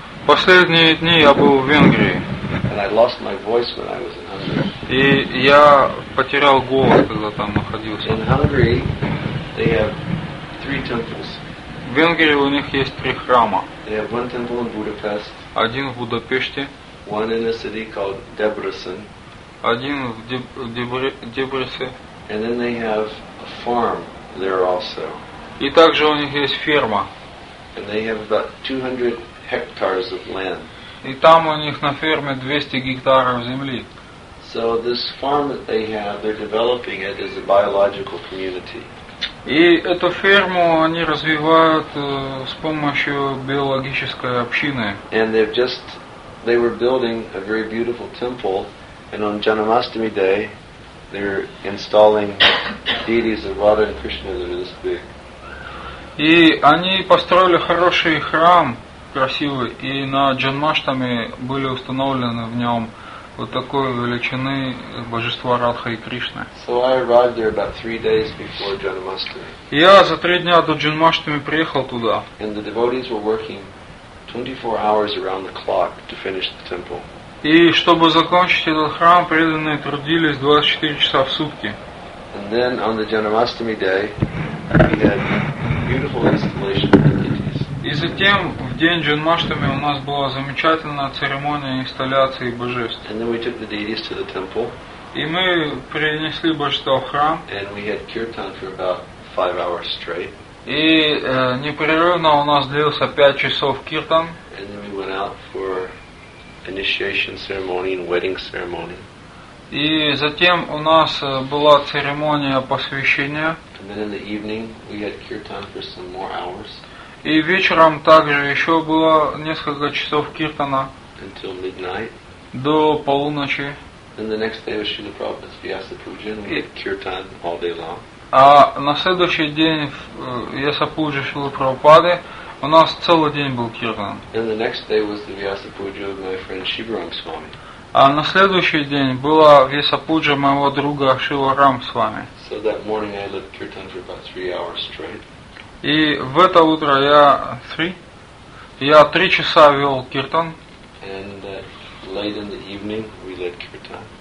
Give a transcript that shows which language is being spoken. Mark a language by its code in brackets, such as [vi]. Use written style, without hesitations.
[ru] Последние дни я был в Венгрии. [en] And I lost my voice when I was in Hungary. [ru] И я потерял голос, когда там находился. [en] In Hungary, they have 3 temples. [ru] В Венгрии у них есть 3 храма. [en] They have 1 temple in Budapest. [ru] Один в Будапеште. [en] One in a city called Debrecen. [ru] Один в Дебрецене. [en] And then they have a farm there also. [ru] И также у них есть ферма. [en] And they have about 200 hectares of land. [ru] И там у них на ферме 200 гектаров земли. [en] So this farm that they have, they're developing it as a biological community. [ru] И эту ферму они развивают с помощью биологической общины. [en] And they were building a very beautiful temple, and on Janmashtami day, they're installing deities of Radha and Krishna that are this big. [ru] И они построили хороший храм, красивый, и на Джанмаштами были установлены в нем вот такой величины божества Радха и Кришны. [en] So I arrived there about 3 days before Janmashtami. [ru] Я за 3 дня до Джанмаштами приехал туда. [en] And the devotees were working 24 hours around the clock to finish the temple. [ru] И чтобы закончить этот храм, преданные трудились 24 часа в сутки. [en] And then on the Janmashtami day, we had beautiful installation of deities. [ru] И затем в день Джанмаштами у нас была замечательная церемония инсталляции божеств. [en] And then we took the deities to the temple. [ru] И мы принесли божества в храм. [en] And we had kirtan for about 5 hours straight. [ru] И непрерывно у нас длился 5 часов киртан. [en] And then we went out for initiation ceremony and wedding ceremony. [ru] И затем у нас была церемония посвящения. [en] And then in the evening we had kirtan for some more hours. [ru] И вечером также еще было несколько часов киртана. [en] Until midnight. [ru] До полуночи. [en] And the next day was Srila Prabhupada's Vyasa Puja, and we had kirtan all day long. [ru] А на следующий день в Вьяса Пуджи Шрилы Прабхупады у нас целый день был киртан. [en] And the next day was the Vyasa Puja of my friend Shivaram Swami. [ru] А на следующий день была Вьяса Пуджа моего друга Шиварам Свами. [en] So that morning I led kirtan for about 3 hours straight. [ru] И в это утро я 3 часа вел киртан. [en] And late in the evening we led kirtan.